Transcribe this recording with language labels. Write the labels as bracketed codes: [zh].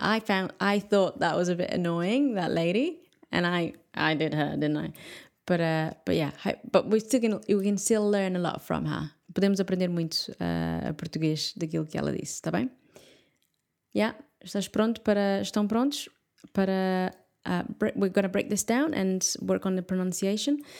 [en] I thought that was a bit annoying, that lady. And I did her, didn't I? But we can still learn a lot from her. [pt] Podemos aprender muito a português daquilo que ela disse, está bem? Yeah, estão prontos para... [en] we're going to break this down and work on the pronunciation.